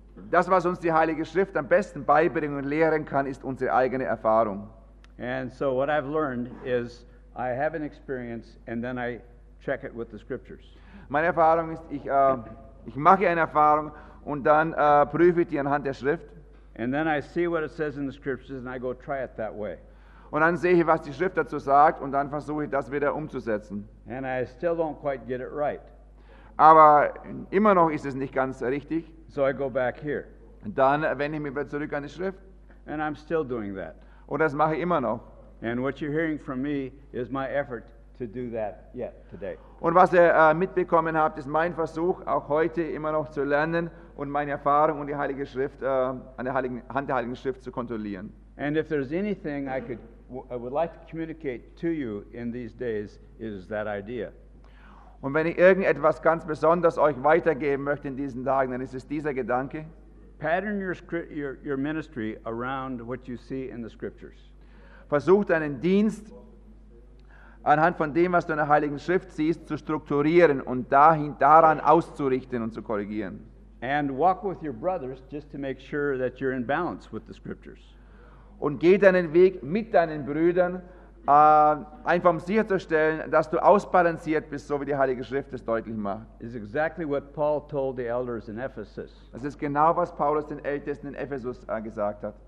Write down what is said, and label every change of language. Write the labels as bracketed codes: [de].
[de] Das, was uns die Heilige Schrift am besten beibringen und lehren kann, ist unsere eigene Erfahrung. [en] And so what I've learned is I have an experience and then I check it with the scriptures. [de] Meine Erfahrung ist, ich mache eine Erfahrung und dann prüfe ich die anhand der Schrift. [en] And then I see what it says in the scriptures and I go try it that way. [de] Und dann sehe ich, was die Schrift dazu sagt und dann versuche ich, das wieder umzusetzen. [en] And I still don't quite get it right. [de] Aber immer noch ist es nicht ganz richtig. [en] So I go back here. [de] Und dann wende ich mich wieder zurück an die Schrift. [en] And I'm still doing that. [de] Und das mache ich immer noch. [en] And what you're hearing from me is my effort to do that yet today. [de] Und was ihr mitbekommen habt, ist mein Versuch, auch heute immer noch zu lernen und meine Erfahrung und die Heilige Schrift an der Heiligen Hand der Heiligen Schrift zu kontrollieren. [en] And if there's anything I would like to communicate to you in these days, it is that idea. [de] Und wenn ich irgendetwas ganz besonders euch weitergeben möchte in diesen Tagen, dann ist es dieser Gedanke. [en] Pattern your ministry around what you see in the scriptures. [de] Versucht deinen Dienst anhand von dem, was du in der Heiligen Schrift siehst, zu strukturieren und dahin daran auszurichten und zu korrigieren. [en] And walk with your brothers just to make sure that you're in balance with the scriptures. [de] Und geh deinen Weg mit deinen Brüdern, einfach um sicherzustellen, dass du ausbalanciert bist, so wie die Heilige Schrift es deutlich macht. [en] Is exactly what Paul told the elders in Ephesus. [de] Das ist genau, was Paulus den Ältesten in Ephesus gesagt hat.